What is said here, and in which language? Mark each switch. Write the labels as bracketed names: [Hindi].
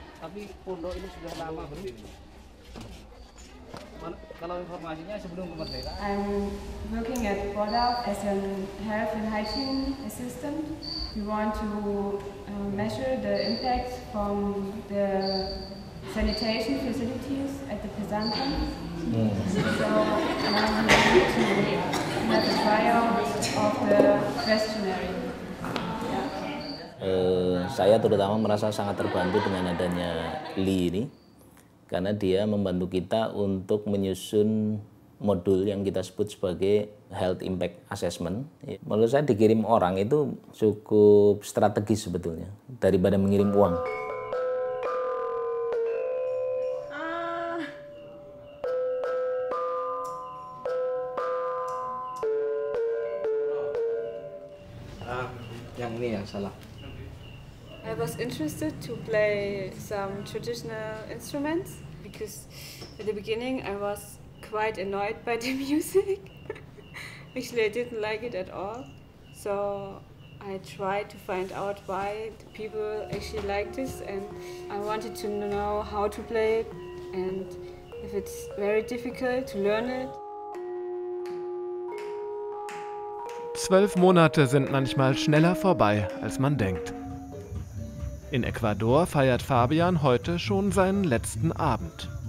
[Indonesian] Tapi pondok ini sudah lama berdiri. Kalau informasinya sebelum kemerdekaan. [English] I'm looking at Bodau as a health and hygiene assistant. We want to measure the impact from the sanitation facilities at the Pesantan. So we need to have a tryout of the questionnaire. [Indonesian] Saya terutama merasa sangat terbantu dengan adanya Li ini. Karena dia membantu kita untuk menyusun modul yang kita sebut sebagai Health Impact Assessment. Menurut saya dikirim orang itu cukup strategis sebetulnya, daripada mengirim uang. Yang ini yang salah. [English] I was interested to play some traditional instruments because at the beginning I was quite annoyed by the music. Actually, I didn't like it at all. So I tried to find out why the people actually liked this, and I wanted to know how to play it and if it's very difficult to learn it. [German] 12 Monate sind manchmal schneller vorbei, als man denkt. In Ecuador feiert Fabian heute schon seinen letzten Abend.